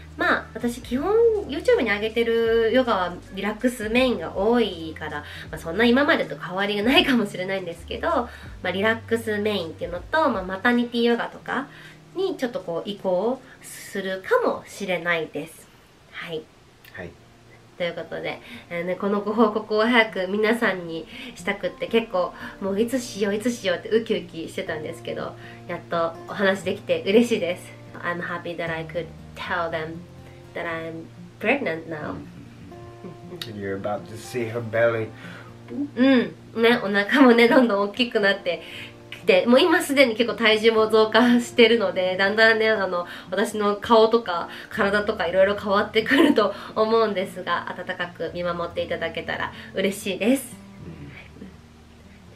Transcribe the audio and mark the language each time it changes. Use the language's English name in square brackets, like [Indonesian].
[Japanese] まあ私基本 YouTube に上げてるヨガはリラックスメインが多いから、まあ、そんな今までと変わりがないかもしれないんですけど、まあ、リラックスメインっていうのと、まあ、マタニティヨガとかにちょっとこう移行するかもしれないです。はい、はい、ということで、このご報告を早く皆さんにしたくって、結構もういつしよういつしようってウキウキしてたんですけど、やっとお話できて嬉しいです。 [English] I'm happy that I could tell them that I'm pregnant now. You're about to see her belly. [Japanese] うん、ね、お腹もねどんどん大きくなってきて、もう今すでに結構体重も増加してるので、だんだんね私の顔とか体とかいろいろ変わってくると思うんですが、温かく見守っていただけたら嬉しいです、mm-hmm.